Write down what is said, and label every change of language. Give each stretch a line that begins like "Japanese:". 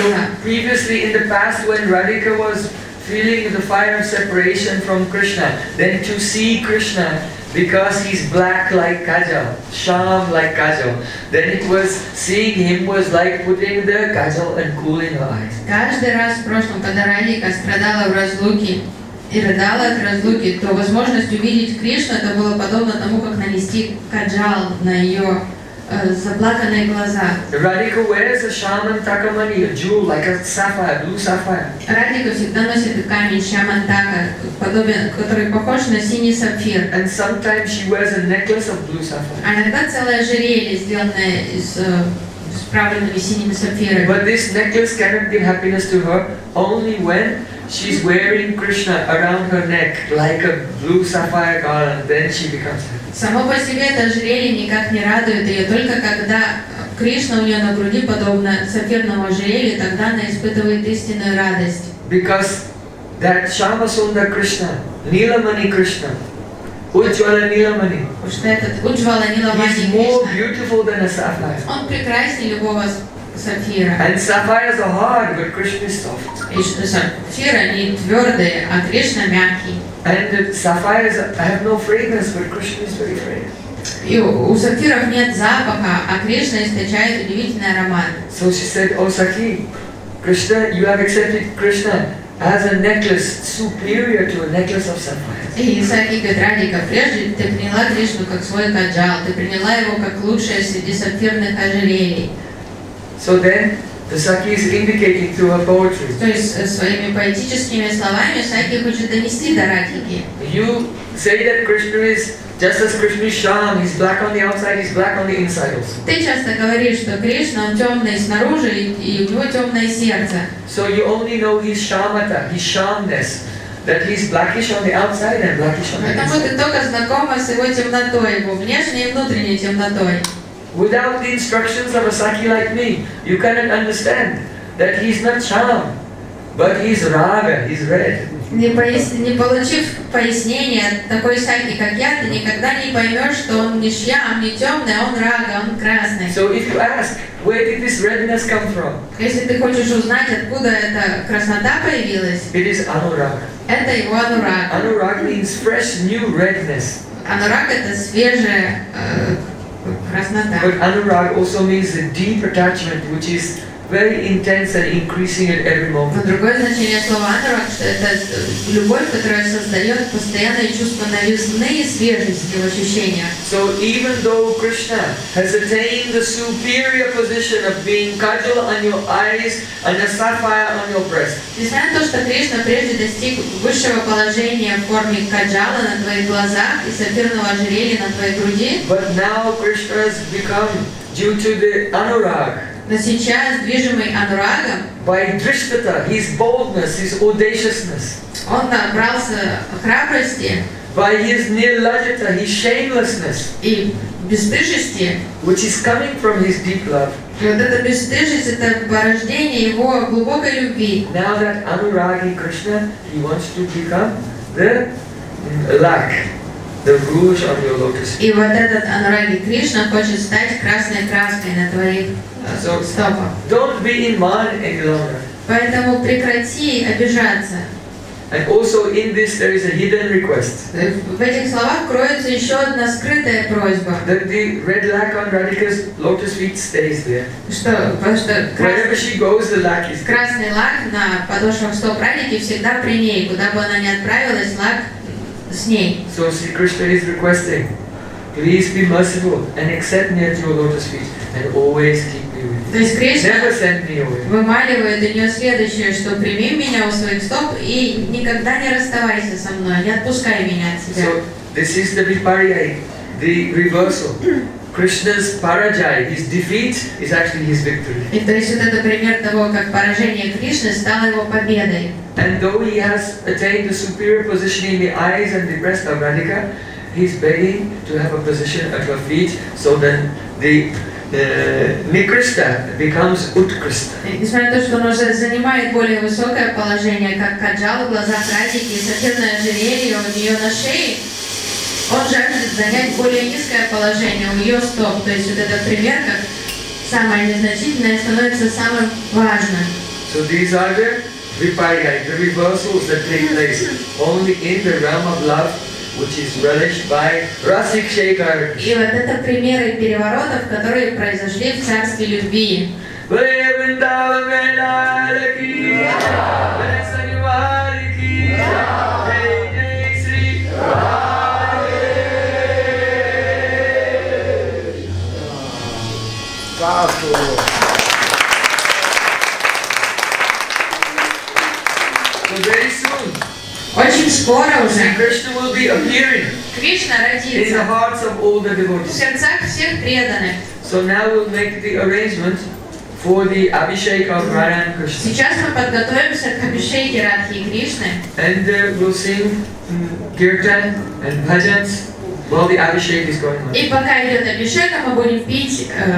English: So previously in the past, when Radhika was feeling the fire of separation from Krishna, then to see Krishna because he's black like kajal, sharp like kajal, then it was seeing him was like putting the kajal and cooling her eyes.
Russian: Каждый раз в прошлом, когда Радика страдала в разлуке и рыдала от разлуки, то возможность увидеть Кришну это было подобно тому, как нанести каджал на ее заплаканные глаза.
English: Radhika wears a shaman takamani, a jewel like a sapphire, blue sapphire.
Russian: Radhika всегда носит камень shaman taka, который похож на синий сапфир.
English: And sometimes she wears a necklace of blue sapphire.
Russian: А иногда целое ожерелье, сделанное из справленными синими сапфирами.
English: But this necklace cannot give happiness to her only when she's wearing Krishna around her neck like a blue sapphire garland. Then she becomes happy.
Russian: Само по себе это ожерелье никак не радует ее, только когда Кришна у нее на груди подобно сапфирному ожерелью, тогда она испытывает истинную радость.
English: Because that Shama Sundar Krishna, Nilamani Krishna, Ujjwala Nilamani, he's more beautiful than a sapphire.
Russian: Он прекраснее любого сапфира.
English: And sapphires are hard, but Krishna is soft.
Russian: И сапфиры они твердые, а Кришна мягкий.
English: And sapphires have no fragrance, but Krishna is very fragrant.
Russian: И у сапфиров нет запаха, а Кришна источает удивительный аромат.
English: So she said, O Sakhi, Krishna, you have accepted Krishna as a necklace superior to a necklace of sapphires.
Russian: И Сакхи говорит, Радика, прежде ты приняла Кришну как свой каджал, ты приняла его как лучшее среди сапфирных ожерелий.
English: So then, the Sakhi is indicating through her poetry.
Russian: То есть своими поэтическими словами Сакхи хочет донести до Радики.
English: You say that Krishna is just as Krishna is Shyam, he's black on the outside, he's black on the inside also.
Russian: Ты часто говоришь, что Кришна он темный снаружи и у него темное сердце.
English: So you only know his shamata, his shamness, that he's blackish on the outside and blackish on the inside.
Russian: Потому ты только знакома с его темнотой, его внешней и внутренней темнотой.
English: Without the instructions of a sakhi like me, you cannot understand that he's not Shyam, but he's Raga, he's red.
Russian: Не получив пояснения такой сакхи, как я, ты никогда не поймешь, что он не шьям, не темный, а он рага, он красный.
English: So if you ask, where did this redness come from?
Russian: Если ты хочешь узнать, откуда эта краснота появилась,
English: it is anurag.
Russian: Это его анураг.
English: Anurag means fresh new redness.
Russian: Анураг — это свежая краснота.
English: But anurag also means a deep attachment, which is very intense and increasing at every moment.
Russian: Но другое значение слова анурак — это любовь, которая создает постоянное чувство новизны и свежести в ощущениях.
English: So even though Krishna has attained the superior position of being kajal on your eyes and a sapphire on your breast.
Russian: Несмотря на то, что Кришна прежде достиг высшего положения в форме каджала на твоих глазах и сапфирного ожерелья на твоей груди.
English: But now Krishna has become, due to the anurag,
Russian: но сейчас, движимый анурагом,
English: by drishtata, his boldness, his audaciousness,
Russian: он набрался храбрости,
English: by his nirlajata, his shamelessness,
Russian: и бесстыжести,
English: which is coming from his deep love.
Russian: И вот эта бесстыжесть — это порождение его глубокой любви.
English: Now that anuragi Krishna, he wants to become the lak, the rouge of your lotus.
Russian: И вот этот анураги Кришна хочет стать красной краской на твоих.
English: So, don't be in man any longer.
Russian: Поэтому прекрати обижаться.
English: And also in this there is a hidden request.
Russian: В этих словах кроется еще одна скрытая просьба.
English: That the red lac on Radhika's lotus feet stays there.
Russian: Что, потому что
English: wherever she goes, the lac is.
Russian: Красный лак на подошвах стоп Радхики всегда при ней, куда бы она ни отправилась, лак с ней.
English: So Sri Krishna is requesting, please be merciful and accept me at your lotus feet. And always keep me with you. Never send me away.
Russian: Вымаливает у нее следующее, что прими меня у своих стоп и никогда не расставайся со мной, не отпускай меня от себя.
English: So this is the vipariyai, the reversal. Krishna's parajay, his defeat, is actually his victory.
Russian: И то есть вот это пример того, как поражение Кришны стало его победой.
English: And though he has attained a superior position in the eyes and the breast of Radhika, he's begging to have a position at her feet, so then the Nikrishta becomes Utkrishta.
Russian: Несмотря на то, что он уже занимает более высокое положение, как каджал в глазах Радхики и сапфирное ожерелье у нее на шее, он жаждет занять более низкое положение у ее стоп. То есть вот этот пример, как самое незначительное становится самым важным.
English: So these are the vipariyai, the reversals that take place only in the realm of love, which is relished by Rasik Shekhar.
Russian: И вот это примеры переворотов, которые произошли в царстве любви. Очень скоро уже
English: Кришна will be appearing
Russian: Кришна родится in the hearts of all the devotees. В сердцах всех преданных.
English: So now we'll make the arrangement for the Abhishek of Radha and Krishna.
Russian: Сейчас мы подготовимся к Абхишеке Радхи и Кришны.
English: And we'll sing kirtan and bhajans while the Abhishek is going on.
Russian: И пока идет Абхишека, мы будем петь.